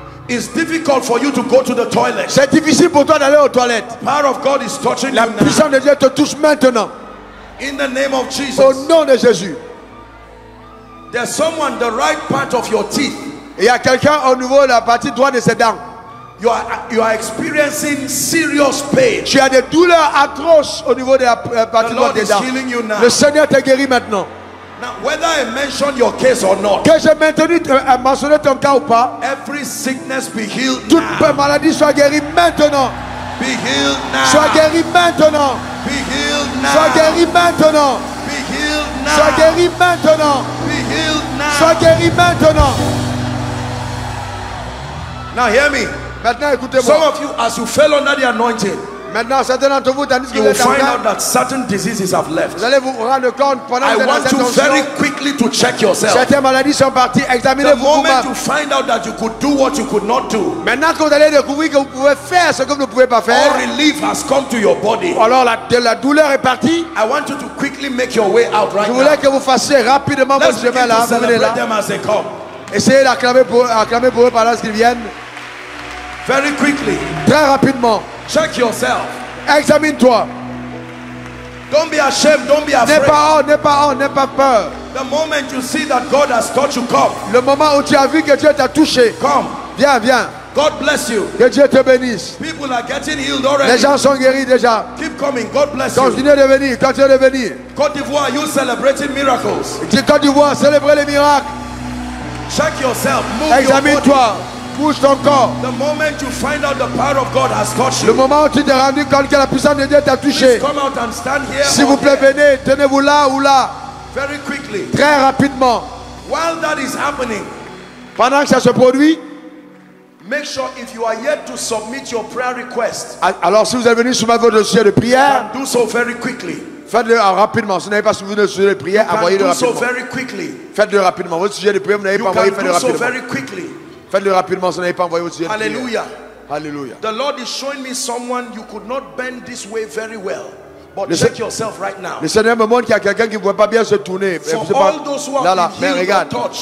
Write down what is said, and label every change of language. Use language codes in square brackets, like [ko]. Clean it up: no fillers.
[en] It's difficult for you to go to the toilet. [fr] C'est difficile pour toi d'aller aux toilettes. [en] The power of God is touching [fr] La [en] you now. [fr] La puissance de Dieu te touche maintenant. [en] In the name of Jesus. [fr] Au nom de Jésus. [en] There's someone the right part of your teeth. [fr] Il y a quelqu'un au niveau de la partie droite de ses dents. [en] You are experiencing serious pain. [fr] Tu as des douleurs atroces au niveau de la partie droite des dents. [en] The Lord is healing you now. [fr] Le Seigneur te guérit maintenant. [en] Now, whether I mention your case or not, [fr] que j'ai mentionné ton cas ou pas, [en] every sickness be healed now. [fr] Toute maladie soit guérie maintenant. [en] Be healed now. [fr] Sois guéri maintenant. [en] Be healed now. [fr] Sois guéri maintenant. [en] Be healed now. [fr] Sois guéri maintenant. [en] Be healed now. [fr] Sois guéri maintenant. [en] Now hear me. [fr] Maintenant écoutez-moi. [en] Some of you, as you fell under the anointing, [fr] Maintenant, certains d'entre vous, tandis que vous êtes en train, [en] that certain diseases have left. [fr] Vous allez vous rendre compte pendant [en] I want you very quickly to check yourself. [fr] Certaines maladies sont parties. Examinez-vous. [en] The moment you find out that you could do what you could not do. [fr] Maintenant que vous allez découvrir que vous pouvez faire ce que vous ne pouvez pas faire. [en] All relief has come to your body. [fr] Alors la douleur est partie. [en] I want you to quickly make your way out right now. [fr] Je voulais que vous fassiez rapidement votre chemin là. [en] Let's celebrate them as they come. [fr] Essayez d'acclamer pour eux pendant qu'ils viennent. [en] Very quickly. [fr] Très rapidement. [en] Check yourself. [fr] Examine-toi. [en] Don't be ashamed. Don't be afraid. [fr] N'aie pas peur. [en] The moment you see that God has touched you, come. [fr] Le moment où tu as vu que Dieu t'a touché. [en] Come. [fr] Viens. [en] God bless you. [fr] Que Dieu te bénisse. [en] People are getting healed already. [fr] Les gens sont guéris déjà. [en] Keep coming. God bless you. [fr] Continue de venir. [en] Côte d'Ivoire, you celebrating miracles. [fr] Côte d'Ivoire, célébrer les miracles. [en] Check yourself. Move. [fr] Examine-toi. Bouge ton corps. [en] The moment you find out the power of God has touched you. [fr] Le moment où tu t'es rendu compte que la puissance de Dieu t'a touché. [en] Please come out and stand here. [fr] S'il vous plaît, venez. Tenez-vous là ou là. [en] Very quickly. [fr] Très rapidement. [en] While that is happening. [fr] Pendant que ça se produit. [en] Make sure if you are yet to submit your prayer request. [fr] Alors si vous êtes venu soumettre votre dossier de prière. [en] Do so very quickly. [fr] Faites-le rapidement. Si vous n'avez pas soumis votre sujet de prière, envoyez-le rapidement. Faites-le rapidement. Votre sujet de prière, vous n'avez pas envoyé, faites-le rapidement. Faites-le rapidement. Si vous n'avez pas envoyé votre sujet de prière. Alléluia. Alléluia. [en] The Lord is showing me someone you could not bend this way very well. But check yourself right now. [fr] Le Seigneur me montre qu'il y a quelqu'un qui ne pouvait pas bien se tourner. [en] For all those who have been healed or touched.